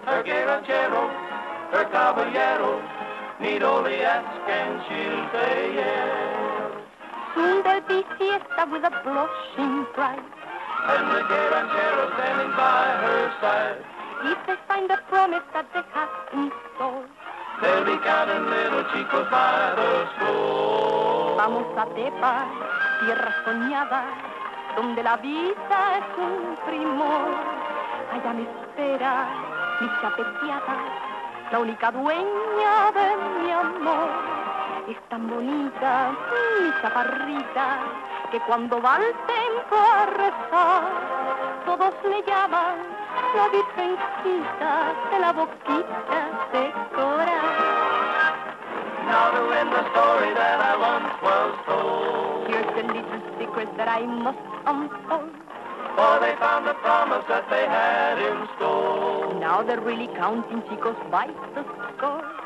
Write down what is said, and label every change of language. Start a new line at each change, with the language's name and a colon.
English: A gay ranchero, her caballero, need only ask and she'll say yes. Soon there'll be fiesta with a blushing bride. And the gay ranchero standing by her side. If they find a promise that they have in store, they'll be counting little chicos by the score.
Spanish: Vamos a Tepa, tierra soñada, donde la vida es un primor. Allá me espera mi chapeteada, la única dueña de mi amor. Es tan bonita mi chaparrita que cuando va al templo a rezar todos le llaman la virgencita de la boquita de corazón.
English: Now to end the story that I once was told, here's the little secret that I must unfold. For they found a promise that they had in store. Now they're really counting chicos by the score.